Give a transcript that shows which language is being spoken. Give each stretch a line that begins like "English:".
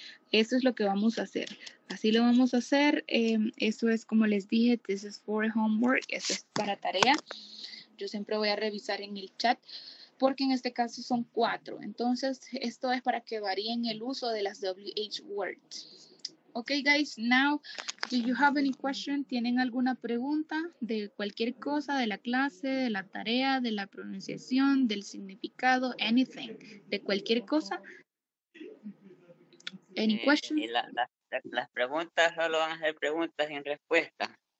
Spanish: Eso es lo que vamos a hacer. Así lo vamos a hacer. Eso es como les dije,
English: this is for homework.
Spanish: Eso es para tarea. Yo siempre voy a revisar en el chat. Porque en este caso son 4. Entonces, esto es para que varíen el uso de las WH words.
English: Ok, guys, now, do you have any question?
Spanish: ¿Tienen alguna pregunta de cualquier cosa, de la clase, de la tarea, de la pronunciación, del significado,
English: anything?
Spanish: ¿De cualquier cosa?
English: ¿Any question?
Spanish: Las preguntas solo van a ser preguntas sin respuesta.